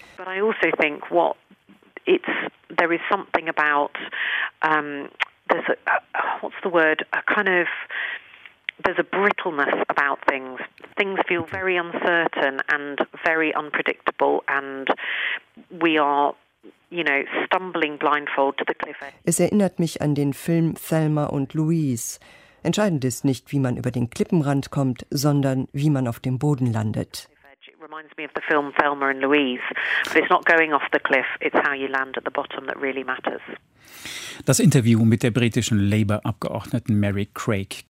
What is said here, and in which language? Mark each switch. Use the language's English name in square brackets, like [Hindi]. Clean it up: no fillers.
[English] But I also think what it's there is something about there's a, what's the word a kind of there's a brittleness about things. Things feel very uncertain and very unpredictable and we are, you know, stumbling blindfold to the cliff. [German] Es erinnert mich an den Film Thelma und Louise. Entscheidend ist nicht, wie man über den Klippenrand kommt, sondern wie man auf dem Boden landet. [English] Reminds me of the film Thelma and Louise. But it's not going off the cliff, it's how you land at the bottom that really matters. [German] Das Interview mit der britischen Labour-Abgeordneten Mary Craig